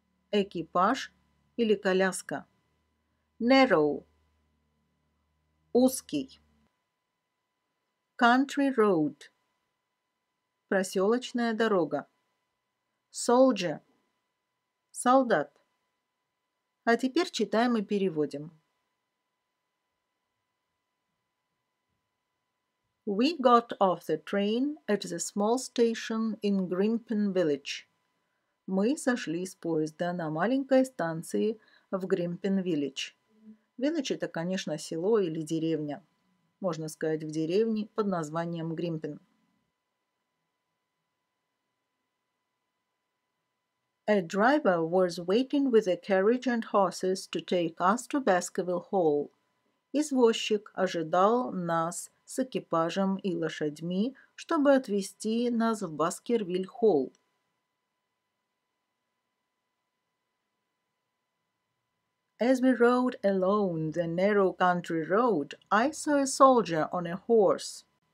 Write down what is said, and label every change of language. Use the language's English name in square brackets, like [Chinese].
[Russian] Экипаж или коляска. [English] Narrow. [Russian] Узкий. [English] Country road. [Russian] Проселочная дорога. [English] Soldier. [Russian] Солдат. А теперь читаем и переводим. [English] We got off the train at the small station in Grimpen Village. [Russian] Мы сошли с поезда на маленькой станции в Grimpen Village. Village – это, конечно, село или деревня. можно сказать, в деревне под названием Гримпен. [English] A driver was waiting with a carriage and horses to take us to Baskerville Hall. [Russian] Извозчик ожидал нас с экипажем и лошадьми, чтобы отвезти нас в Баскервилль-Холл. [English] As we rode along the narrow country road, I saw a soldier on a horse.